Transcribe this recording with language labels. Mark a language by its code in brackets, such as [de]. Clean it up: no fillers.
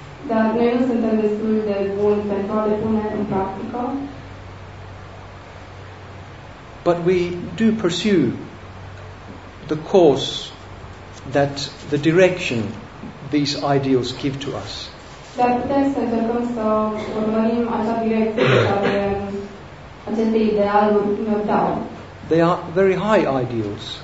[ro] Dar noi nu suntem destul de buni pentru a le pune în practică. [en] But we do pursue the course that the direction these ideals give to us. [ro] Dar putem să încercăm să urmărim acea direcție care aceste idealuri ne dau. [en] They are very high ideals.